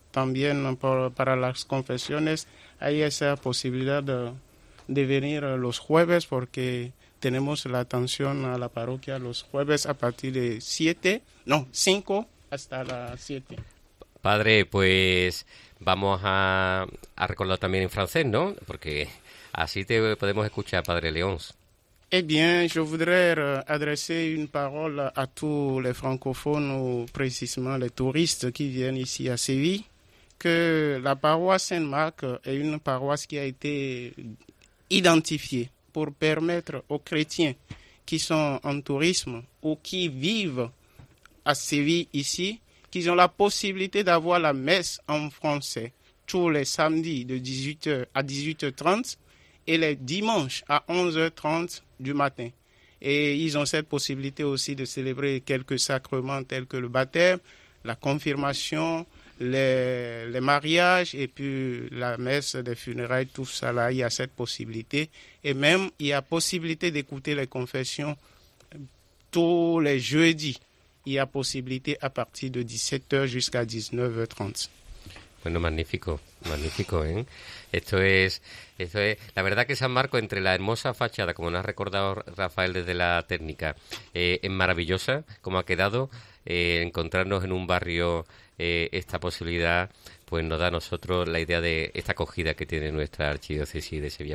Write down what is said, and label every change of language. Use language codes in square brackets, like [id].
[es] También para las confesiones hay esa posibilidad de venir los jueves, porque tenemos la atención a la parroquia los jueves a partir de 5 hasta las 7. Padre, pues vamos a recordar también en francés, ¿no? Porque así te podemos escuchar, Padre León. [fr] Eh bien, je voudrais adresser une parole à tous les francophones, ou précisément les touristes qui viennent ici à Séville, que la paroisse Saint-Marc est une paroisse qui a été identifiée pour permettre aux chrétiens qui sont en tourisme ou qui vivent à Séville ici, qu'ils ont la possibilité d'avoir la messe en français tous les samedis de 18h à 18h30 et les dimanches à 11h30 du matin. Et ils ont cette possibilité aussi de célébrer quelques sacrements tels que le baptême, la confirmation, les mariages et puis la messe des funérailles, tout ça là, il y a cette possibilité. Et même, il y a possibilité d'écouter les confessions tous les jeudis. Il y a possibilité à partir de 17h jusqu'à 19h30. [es] Bueno, magnífico, magnífico, ¿eh? Esto es, la verdad que San Marco, entre la hermosa fachada, como nos ha recordado Rafael desde la técnica, es maravillosa, como ha quedado, encontrarnos en un barrio, esta posibilidad, pues nos da a nosotros la idea de esta acogida que tiene nuestra archidiócesis de Sevilla.